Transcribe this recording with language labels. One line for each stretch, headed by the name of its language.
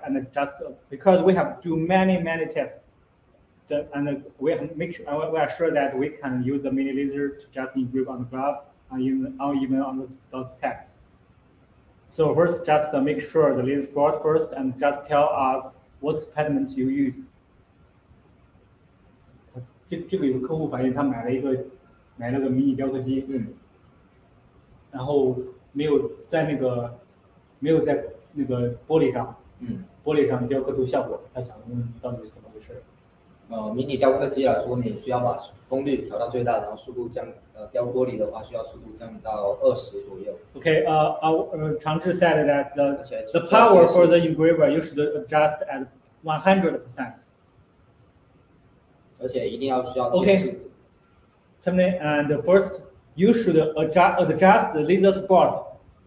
English: And just because we have do many tests. And we are sure that we can use the mini laser to just engrave on the glass or even on the dot tag. So first, just make sure the laser spot first, and just tell us what pattern you use.
Chinese: 这个有个客户发现他买了个 mini 雕刻机，然后没有在那个玻璃上雕刻出效果，他想问到底是怎么回事。迷你雕刻机啊，如果你需要把功率调到最大，然后速度降雕玻璃的话，需要速度降到20左右。
English: Changzhi said that the power for the engraver you should adjust at 100%.
Chinese: 而且一定要需要贴数字。
English: Okay. And first, you should adjust the laser spot.